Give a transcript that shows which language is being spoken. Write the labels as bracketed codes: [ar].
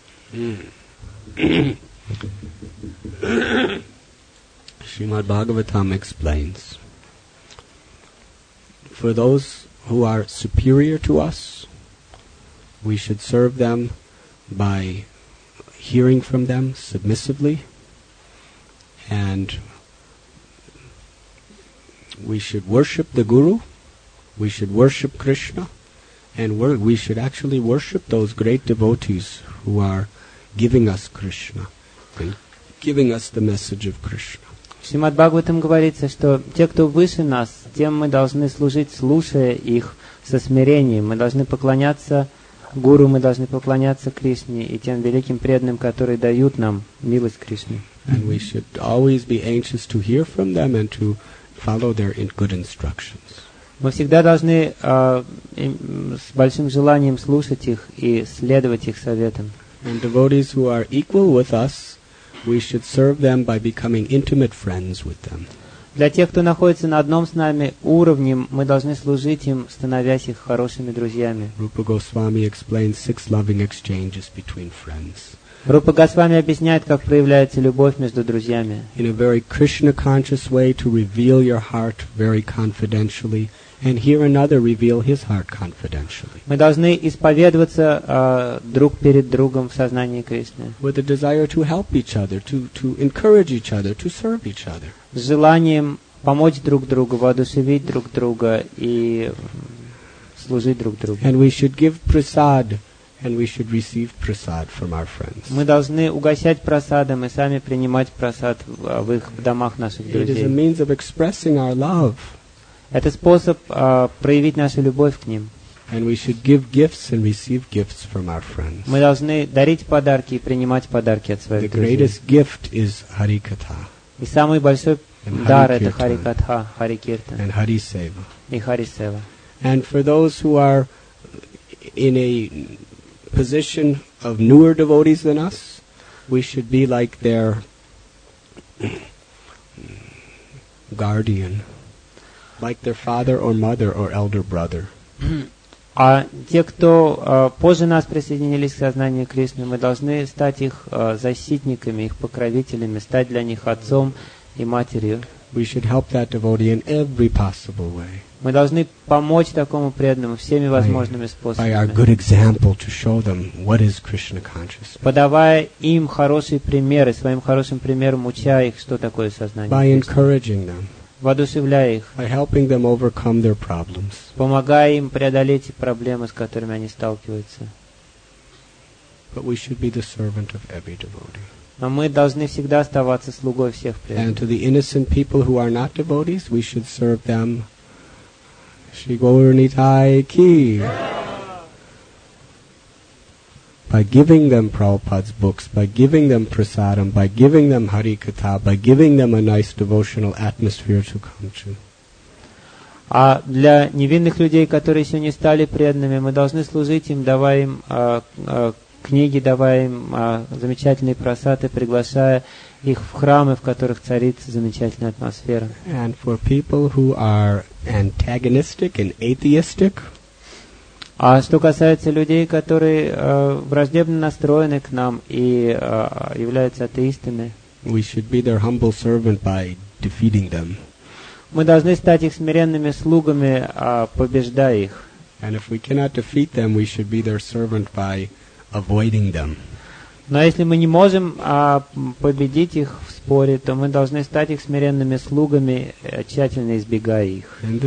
[en] Srimad Bhagavatam explains, for those who are superior to us, we should serve them by hearing from them submissively, and we should worship the Guru, we should worship Krishna, and we should actually worship those great devotees who are giving us Krishna, giving us the message of Krishna. [ru] Шримад Бхагаватам говорится, что те, кто выше нас, тем мы должны служить, слушая их со смирением. Мы должны поклоняться Гуру, мы должны поклоняться Кришне и тем великим преданным, которые дают нам милость Кришны. [en] And we should always be anxious to hear from them and to follow their good instructions. [ru] Мы всегда должны с большим желанием слушать их и следовать их советам. [en] And devotees who are equal with us, we should serve them by becoming intimate friends with them. [ru] Для тех, кто находится на одном с нами уровне, мы должны служить им, становясь их хорошими друзьями. [en] Rupa Goswami explains 6 loving exchanges between friends. [ru] Рупа Госвами объясняет, как проявляется любовь между друзьями. [en] In a very Krishna-conscious way, to reveal your heart very confidentially, and hear another reveal his heart confidentially. [ru] Мы должны исповедоваться друг перед другом в сознании Кришны. [en] With a desire to help each other, to encourage each other, to serve each other. [ru] С желанием помочь друг другу, воодушевить друг друга и служить друг другу. [en] And we should give prasad, and we should receive prasad from our friends. [ru] Мы должны угощать прасадом и сами принимать прасад в их домах наших друзей. [en] It is a means of expressing our love. [ru] Это способ проявить нашу любовь к ним. [en] And we should give gifts and receive gifts from our friends. [ru] Мы должны дарить подарки и принимать подарки от своих друзей. [en] The greatest gift is Harikatha. [ru] И самый большой дар это Харикатха, Харикиртан. [en] And Hari Seva. [ru] И Харисева. [en] And for those who are in a position of newer devotees than us, we should be like their guardian, like their father or mother or elder brother. [ru] А те, кто позже нас присоединились к сознанию Кришны, мы должны стать их защитниками, их покровителями, стать для них отцом и матерью. [en] We should help that devotee in every possible way. [ru] Мы должны помочь такому преданному всеми возможными способами. [en] By our good example to show them what is Krishna consciousness. [ru] Подавая им хорошие примеры, своим хорошим примером уча их, что такое сознание [en] Кришны. By encouraging them. [ru] Воодушевляя их. [en] By helping them overcome their problems. [ru] Помогая им преодолеть эти проблемы, с которыми они сталкиваются. [en] But we should be the servant of every devotee. [ru] Но мы должны всегда оставаться слугой всех преданных. [en] And to the innocent people who are not devotees, we should serve them. Shri Gauranitai ki. By giving them Prabhupada's books, by giving them prasadam, by giving them Harikatha, by giving them a nice devotional atmosphere to come to. [ru] А для невинных людей, которые еще не стали преданными, мы должны служить им, давая им книги, давая им замечательные прасады, приглашая их в храмы, в которых царит замечательная атмосфера. [en] And for people who are antagonistic and atheistic, [ru] а что касается людей, которые враждебно настроены к нам и являются атеистами, [en] we should be their humble servant by defeating them. [ru] Мы должны стать их смиренными слугами, побеждая их. [en] And if we cannot defeat them, we should be their servant by avoiding them. [ru] Но если мы не можем победить их в споре, то мы должны стать их смиренными слугами, тщательно избегая их.